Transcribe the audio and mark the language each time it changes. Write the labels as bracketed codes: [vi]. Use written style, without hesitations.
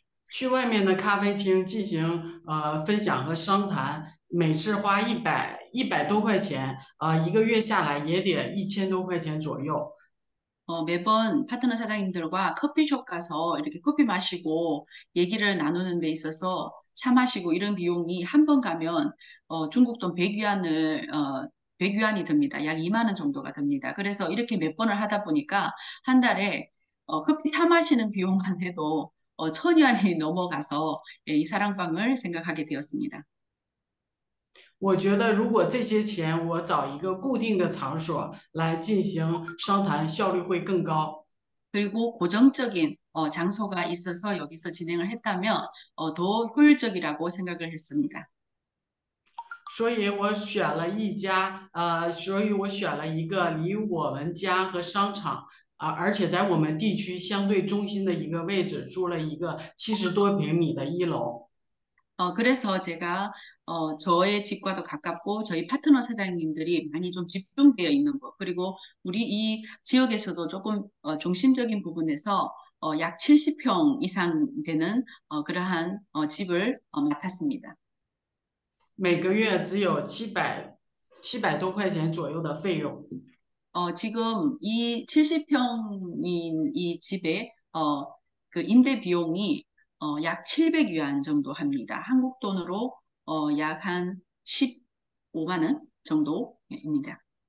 [zh] 去外面的咖啡厅进行分享和商谈，每次花100多块钱，一个月下来也得1000多块钱左右。 [ko] 매번 파트너 사장님들과 커피숍 가서 이렇게 커피 마시고 얘기를 나누는 데 있어서 차 마시고 이런 비용이 한번 가면 중국 돈 100위안이 듭니다. 약 2만 원 정도가 듭니다. 그래서 이렇게 몇 번을 하다 보니까 한 달에 커피 차 마시는 비용만 해도 1000위안이 넘어가서 이 사랑방을 생각하게 되었습니다. [zh] 我觉得，如果这些钱我找一个固定的场所来进行商谈，效率会更高。 [ko] 그리고 고정적인 장소가 있어서 여기서 진행을 했다면 더 효율적이라고 생각을 했습니다. [zh] 所以我选了一家，所以我选了一个离我们家和商场，而且在我们地区相对中心的一个位置，租了一个70多平米的一楼。 [ko] 그래서 제가 저의 집과도 가깝고 저희 파트너 사장님들이 많이 좀 집중되어 있는 곳, 그리고 우리 이 지역에서도 조금 중심적인 부분에서 약 70평 이상 되는 그러한 집을 맡았습니다. [zh] 每个月只有700多块钱左右的费用。 [ko] 지금 이 70평인 이 집의 그 임대 비용이 약 700위안 정도 합니다. 한국 돈으로 약한 15만 원 정도입니다.